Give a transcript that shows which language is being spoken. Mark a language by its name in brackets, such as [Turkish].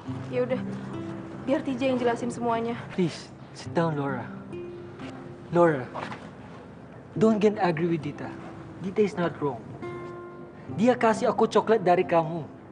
[Indonesian] Ya udah, biar TJ yang jelasin semuanya. [English] Please, sit down, Laura, don't get angry with Dita. Dita is not wrong. [Indonesian] Dia kasih aku coklat dari kamu.